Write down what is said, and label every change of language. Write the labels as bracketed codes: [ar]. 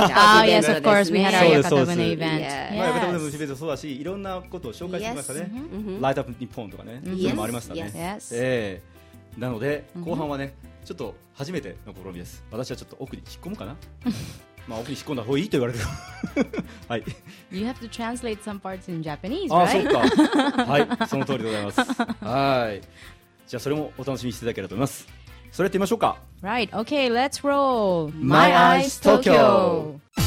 [en] た、ね、Oh yes, of course, we had our Yakatobune event. Yes. Yes. Yakatobune event [ja] そうだし、いろんなことを紹介してきましたね、Light Up Nippon とかね、それもありましたね、なので後半はね、ちょっと初めての試みです。私はちょっと奥に引っ込むかな。まあ、奥に引っ込んだ方がいいと言われてる。はい。 [en] You have to translate some parts in Japanese, right? [ja] ああ、そうか。はい、その通りでございます。はい。じゃあそれもお楽しみにしていただければと思います。それやってみましょうか。 [en] Right, okay, let's roll! My Eyes Tokyo!